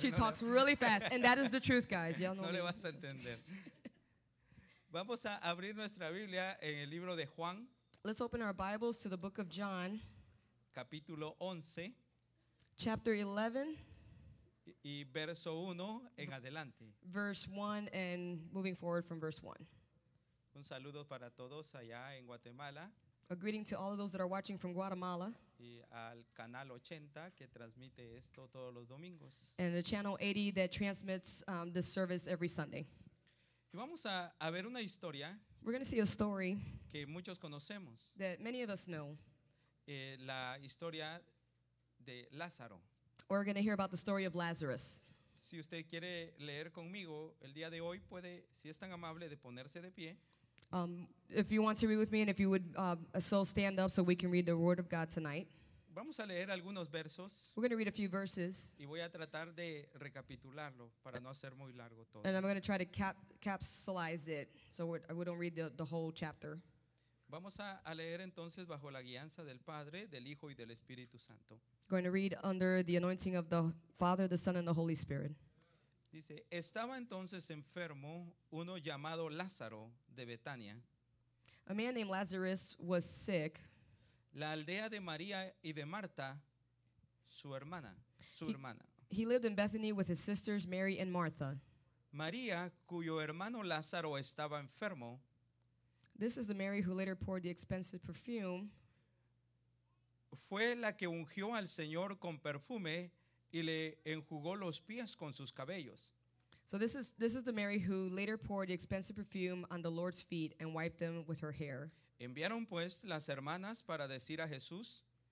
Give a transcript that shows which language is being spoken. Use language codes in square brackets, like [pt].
[en] She talks really fast, and that is the truth, guys. Y'all know [es] no le vas a entender. Vamos a abrir nuestra Biblia en el libro de Juan. [en] Let's open our Bibles to the book of John. [es] Capítulo 11. [en] Chapter 11. [es] Y verso 1 en adelante. [en] Verse 1 and moving forward from verse 1. [es] Un saludo para todos allá en Guatemala. [en] A greeting to all of those that are watching from Guatemala. [es] Y al canal 80 que transmite esto todos los domingos. [en] And the channel 80 that transmits this service every Sunday. [es] Y vamos a ver una historia. [en] We're going to see a story. [es] Que muchos conocemos. [en] That many of us know. [es] La historia de Lázaro. [en] We're going to hear about the story of Lazarus. [es] Si usted quiere leer conmigo el día de hoy, puede, si es tan amable, de ponerse de pie. [en] If you want to read with me, and if you would so stand up so we can read the Word of God tonight. [es] Vamos a leer algunos versos. [en] We're going to read a few verses. [es] Y voy a tratar de recapitularlo para no hacer muy largo todo. [en] And I'm going to try to capsulize it so we don't read the whole chapter. [es] Vamos a leer entonces bajo la guianza del Padre, del Hijo y del Espíritu Santo. [en] Going to read under the anointing of the Father, the Son, and the Holy Spirit. [es] Dice, estaba entonces enfermo uno llamado Lázaro de Betania. [en] A man named Lazarus was sick. [es] La aldea de María y de Marta, su hermana. [en] He lived in Bethany with his sisters Mary and Martha. [es] María, cuyo hermano Lázaro estaba enfermo. [en] This is the Mary who later poured the expensive perfume. [es] Fue la que ungió al Señor con perfume y le enjugó los pies con sus cabellos. [en] So this is the Mary who later poured the expensive perfume on the Lord's feet and wiped them with her hair. [es] Enviaron pues las hermanas para decir a Jesús.